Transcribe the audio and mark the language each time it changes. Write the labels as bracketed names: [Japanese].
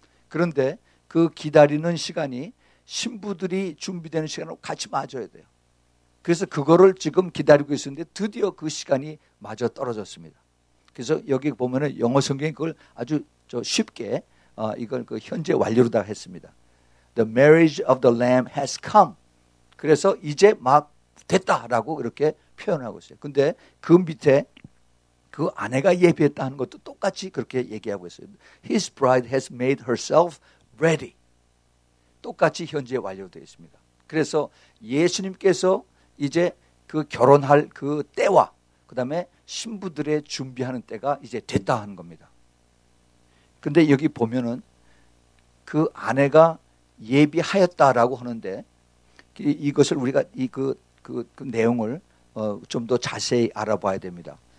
[Korean] 그런데 그 기다리는 시간이 신부들이 준비되는 시간을 같이 맞아야 돼요. 그래서 그거를 지금 기다리고 있었는데 드디어 그 시간이 마저 떨어졌습니다. 그래서 여기 보면은 영어 성경이 그걸 아주 쉽게 이걸 그 현재 완료로 다 했습니다. [English] The marriage of the lamb has come. [Korean] 그래서 이제 막 됐다라고 이렇게 표현하고 있어요. 근데 그 밑에 그 아내가 예비했다는 것도 똑같이 그렇게 얘기하고 있어요. [English] His bride has made herself ready. [Korean] 똑같이 현재 완료되어 있습니다. 그래서 예수님께서 이제 그 결혼할 그 때와 그 다음에 신부들의 준비하는 때가 이제 됐다 하는 겁니다. 근데 여기 보면은 그 아내가 예비하였다라고 하는데 이것을 우리가 이 그 내용을 좀 더 자세히 알아봐야 됩니다.